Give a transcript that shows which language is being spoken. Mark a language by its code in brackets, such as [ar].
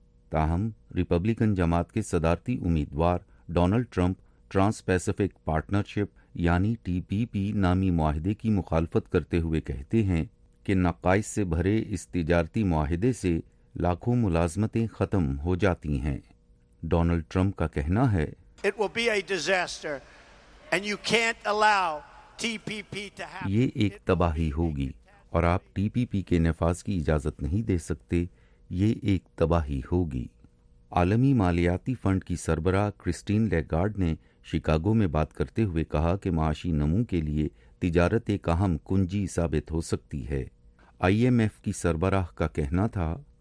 [ur] تاہم ریپبلکن جماعت کے صدارتی امیدوار Donald Trump trans Pacific partnership یعنی ٹی پی پی نامی معاہدے کی مخالفت کرتے ہوئے کہتے ہیں کہ نقائص سے بھرے اس تجارتی معاہدے سے لاکھوں ملازمتیں ختم ہو جاتی ہیں۔ ڈونلڈ ٹرمپ کا کہنا ہے، [en] It will be a disaster and you can't allow TPP to happen. [ur] یہ ایک تباہی ہوگی اور آپ ٹی پی پی کے نفاذ کی اجازت نہیں دے سکتے۔ یہ ایک تباہی ہوگی۔ عالمی مالیاتی فنڈ کی سربراہ کرسٹین لیگارڈ نے شکاگو میں بات کرتے ہوئے کہا کہ معاشی نمو کے لیے تجارت ایک اہم کنجی ثابت ہو سکتی ہے۔ آئی ایم ایف کی سربراہ کا کہنا تھا،